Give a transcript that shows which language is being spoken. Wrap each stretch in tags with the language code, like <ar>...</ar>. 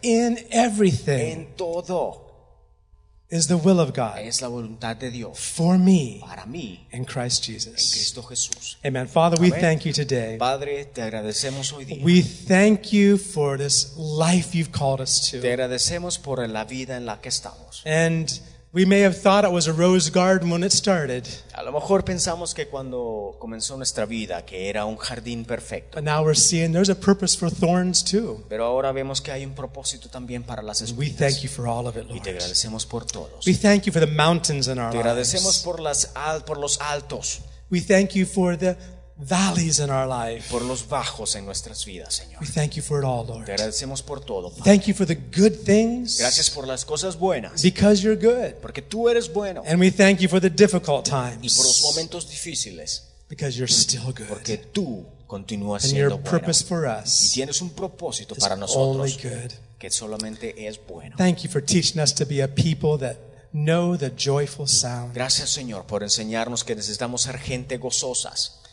<en>in everything,</en> <es>en todo.</es> <en>Is the will of God.</en> <es>Es la voluntad de Dios.</es> <en>For me.</en> <es>Para mí.</es> <en>In Christ Jesus.</en> <es>En Cristo Jesús.</es> <en>Amen. Father,</en> <es>amen.</es> <en>We thank you today.</en> <es>Padre, te agradecemos hoy día.</es> <en>We thank you for this life you've called us to.</en> <es>Te agradecemos por la vida en la que estamos.</es> <en>And we may have thought it was a rose garden when it started.</en> <es>A lo mejor pensamos que cuando comenzó nuestra vida que era un jardín perfecto.</es> <en>But now we're seeing there's a purpose for thorns too.</en> <es>Pero ahora vemos que hay un propósito también para las espinas.</es> <en>We thank you for all of it, Lord.</en> <es>Y te agradecemos por todos.</es> <en>We thank you for the mountains in our lives.</en> <es>Te agradecemos por los altos.</es> <en>We thank you for the valleys in our life.</en> <es>Por los bajos en nuestras vidas, Señor.</es> <en>We thank you for it all, Lord.</en> <es>Te agradecemos por todo, Padre.</es> <en>Thank you for the good things.</en> <es>Gracias por las cosas buenas.</es> <en>Because you're good.</en> <es>Porque tú eres bueno.</es> <en>And we thank you for the difficult times.</en> <es>Y por los momentos difíciles.</es> <en>Because you're still good.</en> <es>Porque tú continúas siendo</es> <en>And your purpose for us.</en> <es>Y tienes un propósito para nosotros.</es> <en>Only good.</en> <es>Que solamente es bueno.</es> <en>Thank you for teaching us to be a people that know the joyful sound.</en> <es>Gracias, Señor, por enseñarnos que necesitamos ser gente gozosas.</es>